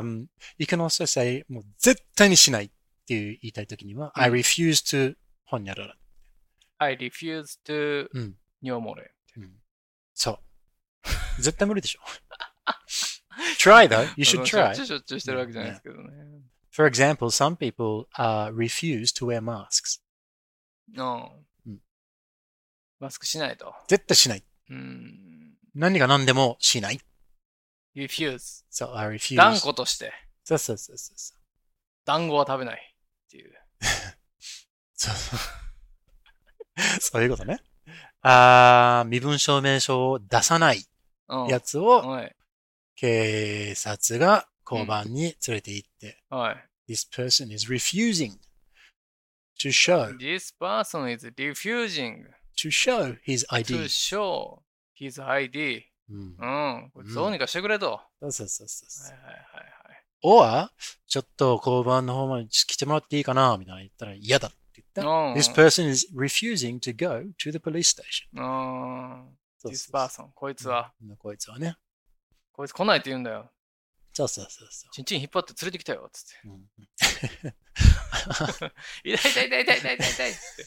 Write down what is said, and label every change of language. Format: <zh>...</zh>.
<ja>うん、</ja> <en>you can also say,</en> <ja>もう絶対にしない。っていう言いたいときには、うん、</ja> <en>I refuse to</en> <ja>ほんにゃらら。</ja> <en>I refuse to</en> <ja>尿漏れ、うん、そう絶対無理でしょ</ja> <en>Try though, you should try.</en> <ja>しょっちゅうしょっちゅうしてるわけじゃないですけどね。</ja> <en>Yeah. For example, some people refuse to wear masks.</en> <ja>No. うん。マスクしないと。絶対しない。うん。何が何でもしない。</ja> <en>Refuse. So I refuse.</en> <ja>断固として。そうそうそうそう。団子は食べないっていう。そうそう。そういうことね。身分証明書を出さないやつを、うん。警察が交番に連れて行って、うん、はい、</ja> <en>This person is refusing to show. This person is refusing to show his ID. To show his ID.</en> <ja>うん、うん、これどうにかしてくれと。そうそうそうそう。はいはいはいはい。 Or ちょっと交番の方まで来てもらっていいかなみたいな言ったら嫌だって言った。うん、</ja> <en>This person is refusing to go to the police station.</en> <ja>うん、そうそうそう。</ja> <en>This person、</en> <ja>こいつは、うん、こいつはね。こいつ来ないって言うんだよ。そうそうそうそう。チンチン引っ張って連れてきたよっつって。うん、痛い痛い痛い痛い痛い痛い痛いって。</ja>